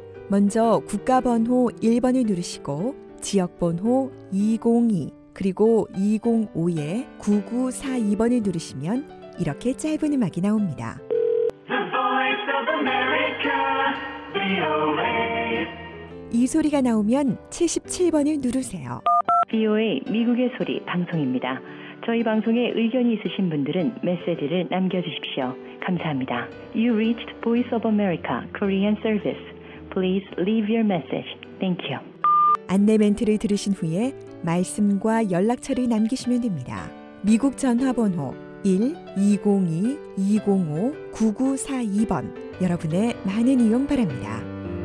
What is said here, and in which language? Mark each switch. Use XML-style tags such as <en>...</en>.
<ko>먼저 국가번호 1번을 누르시고 지역번호 202 그리고 2052-9942번을 누르시면 이렇게 짧은 음악이 나옵니다.</ko> <en>The Voice of America, VOA.</en> <ko>이 소리가 나오면 77번을 누르세요. VOA 미국의 소리 방송입니다. 저희 방송에 의견이 있으신 분들은 메시지를 남겨주십시오. 감사합니다.</ko> <en>You reached Voice of America Korean Service. Please leave your message. Thank you.</en> <ko>안내 멘트를 들으신 후에 말씀과 연락처를 남기시면 됩니다. 미국 전화번호 1202-205-9942번 여러분의 많은 이용 바랍니다.</ko>